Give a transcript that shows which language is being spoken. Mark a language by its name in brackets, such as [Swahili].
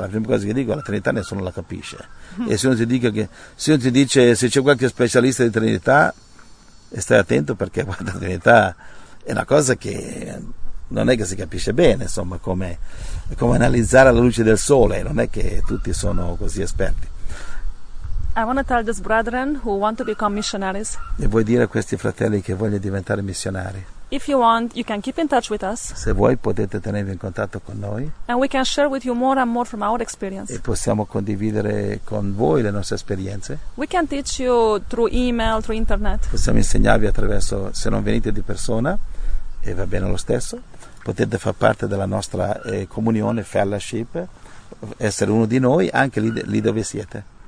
[Italian] La prima cosa che dico, la Trinità nessuno la capisce. E se uno ti dice se c'è qualche specialista di Trinità, stai attento, perché guarda, la Trinità è una cosa che non è che si capisce bene, insomma, come analizzare la luce del sole, non è che tutti sono così esperti. [English] I want to tell these brethren who want to become missionaries. [Italian] E vuoi dire a questi fratelli che vogliono diventare missionari? [English] If you want, you can keep in touch with us. [Italian] Se vuoi potete tenervi in contatto con noi. [English] And we can share with you more and more from our experience. [Italian] E possiamo condividere con voi le nostre esperienze. [English] We can teach you through email, through internet. [Italian] Possiamo insegnarvi attraverso, se non venite di persona, e va bene lo stesso, potete far parte della nostra comunione, fellowship, essere uno di noi anche lì dove siete.